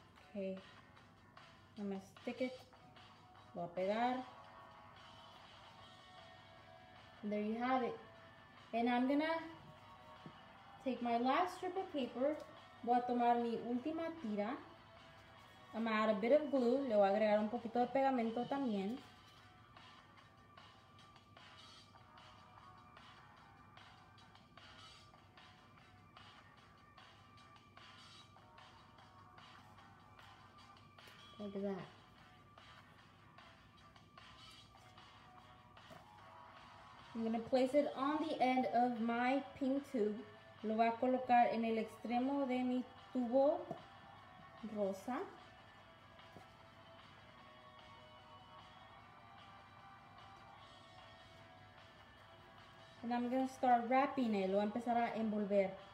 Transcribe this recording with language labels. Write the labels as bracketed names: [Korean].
[English] Okay, I'm gonna stick it, [Spanish] voy a pegar. [English] And there you have it. And I'm gonna take my last strip of paper. [Spanish] Voy a tomar mi última tira. [English] I'm gonna add a bit of glue. [Spanish] Le voy a agregar un poquito de pegamento también. [English] Like that. I'm gonna place it on the end of my pink tube. [Spanish] Lo voy a colocar en el extremo de mi tubo rosa. [English] And I'm gonna start wrapping it. [Spanish] Lo voy a empezar a envolver.